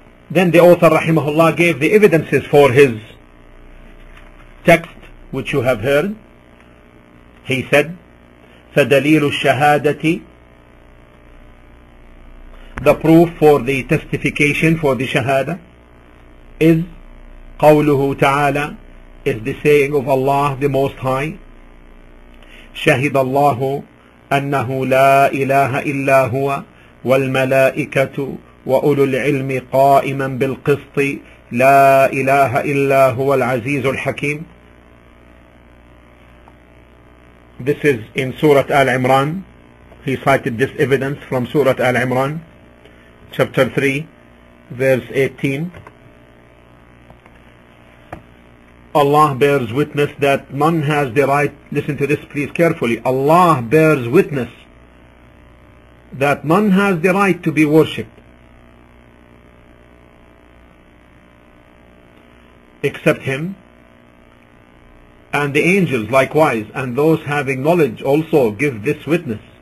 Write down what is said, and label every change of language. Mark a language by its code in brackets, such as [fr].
[en] Then the author, rahimahullah, gave the evidences for his text, which you have heard. He said, [ar] فَدَلِيلُ الشَّهَادَةِ, [en] the proof for the testification for the shahada, [ar] is قَوْلُهُ تَعَالَى, [en] is the saying of Allah the Most High, [ar] شَهِدَ اللَّهُ أَنَّهُ لَا إِلَهَ إِلَّا هُوَ وَالْمَلَائِكَةُ وَأُولُو الْعِلْمِ قَائِمًا بِالْقِسْطِ لَا إِلَهَ إِلَّا هُوَ الْعَزِيزُ الْحَكِيمُ. [en] This is in Surah Al-Imran. He cited this evidence from Surah Al-Imran, chapter 3, verse 18. Allah bears witness that none has the right, listen to this please carefully, Allah bears witness that none has the right to be worshipped except Him, and the angels likewise, and those having knowledge also give this witness.